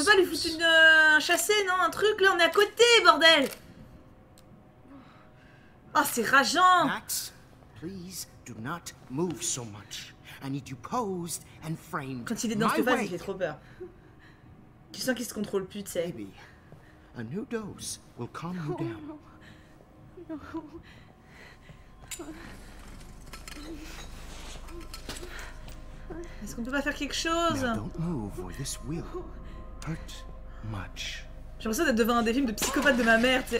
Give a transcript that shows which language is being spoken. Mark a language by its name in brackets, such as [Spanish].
[French] On peut pas lui foutre une, un chassé, non? Un truc, là, on est à côté, bordel! Oh, c'est rageant. [English] Max, please do not move so much. I need you posed and framed. [French] Quand il est dans cette phase, il fait trop peur. Tu sens qu'il se contrôle plus, tu sais. [English] Maybe a new dose will calm you down. No. No. [French] Est-ce qu'on peut pas faire quelque chose? [English] Now don't move or this will hurt much. [French] J'ai l'impression d'être devant un des films de psychopathe de ma mère, t'sais.